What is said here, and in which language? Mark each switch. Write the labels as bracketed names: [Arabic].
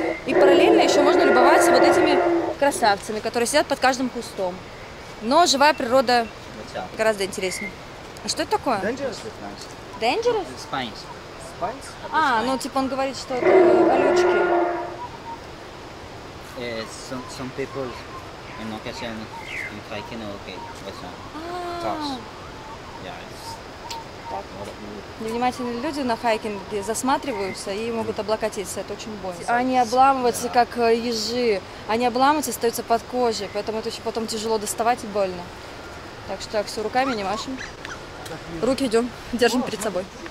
[Russian] И параллельно еще можно любоваться вот этими красавцами, которые сидят под каждым кустом. Но живая природа гораздо интереснее. А что это такое? [English] Dangerous? Spines. Spines? [Russian] А, ну типа он говорит, что это колючки. [English] Some people in occasion in hiking okay, but some touch. [Russian] Невнимательные люди на хайкинге засматриваются и могут облокотиться. Это очень больно. Они обламываются, как ежи. Они обламываются и остаются под кожей. Поэтому это еще потом тяжело доставать и больно. Так что так, все, руками не машем. Руки идем, держим перед собой.